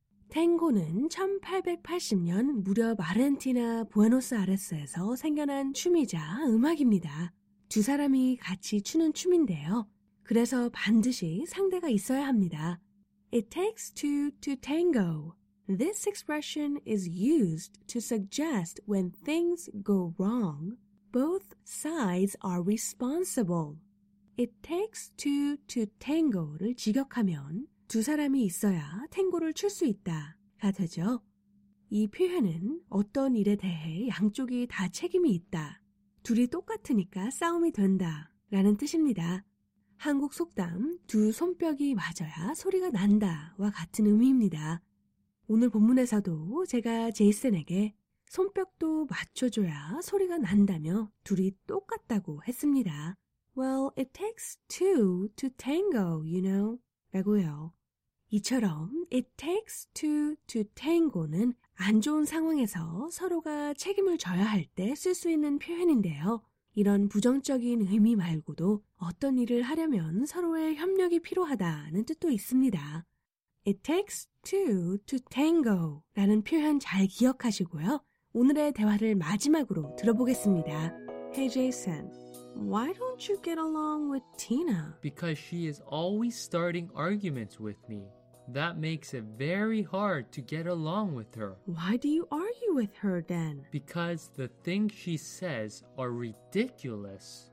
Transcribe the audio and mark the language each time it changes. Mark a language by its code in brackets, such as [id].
[ko] 탱고는 1880년 무려 아르헨티나 부에노스아레스에서 생겨난 춤이자 음악입니다. 두 사람이 같이 추는 춤인데요. 그래서 반드시 상대가 있어야 합니다. [en] It takes two to tango. This expression is used to suggest when things go wrong, both sides are responsible. It takes two to tango [ko] 를 직역하면 두 사람이 있어야 탱고를 출 수 있다가 되죠. 이 표현은 어떤 일에 대해 양쪽이 다 책임이 있다. 둘이 똑같으니까 싸움이 된다. 라는 뜻입니다. 한국 속담 두 손뼉이 맞아야 소리가 난다. 와 같은 의미입니다. 오늘 본문에서도 제가 제이슨에게 손뼉도 맞춰줘야 소리가 난다며 둘이 똑같다고 했습니다. [en] Well, it takes two to tango, you know. [ko] 라고요. 이처럼 [en] it takes two to tango [ko] 는 안 좋은 상황에서 서로가 책임을 져야 할 때 쓸 수 있는 표현인데요. 이런 부정적인 의미 말고도 어떤 일을 하려면 서로의 협력이 필요하다는 뜻도 있습니다. [en] It takes two to tango [ko] 라는 표현 잘 기억하시고요. 오늘의 대화를 마지막으로 들어보겠습니다. [en] Hey Jason, why don't you get along with Tina? Because she is always starting arguments with me. That makes it very hard to get along with her. Why do you argue with her then? Because the things she says are ridiculous.